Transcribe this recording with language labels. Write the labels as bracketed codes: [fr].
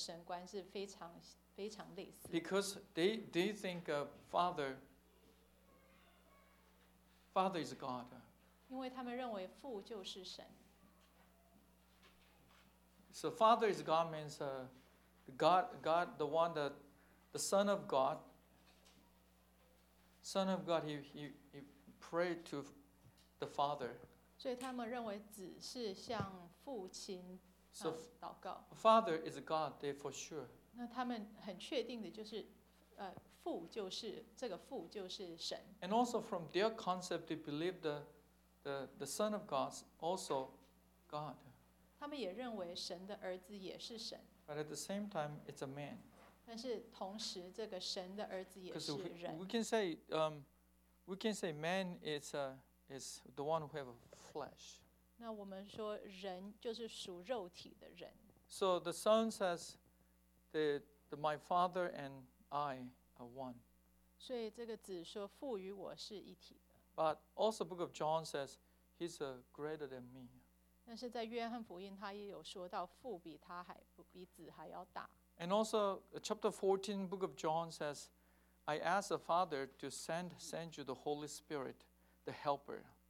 [zh] 其实像三位一体这个神观跟我们独一真神的神观是非常非常类似的。 [en] Because they think Father is God. [zh] 因为他们认为父就是神。 [en] So Father is God means God the one that the Son of God he prayed to the Father. [zh] 所以他们认为子是向父亲祷告。 [en] So Father is God, they for sure. [zh] 那他们很确定的就是，父就是这个父就是神。 [en] And also from their concept, they believe the Son of God also God. [zh] 他们也认为神的儿子也是神。 [en] But at the same time, it's a man. [zh] 但是同时，这个神的儿子也是人。 [en] We can say man is the one who have flesh. [zh] 那我们说人就是属肉体的人。 [en] So the Son says, "The my Father and I are one." [zh] 所以这个子说父与我是一体的。 [en] But also, Book of John says, "He's greater than me." [zh] 但是在约翰福音，他也有说到父比他还比子还要大。 [en] And also, chapter 14, Book of John says, "I ask the Father to send you the Holy Spirit, the Helper."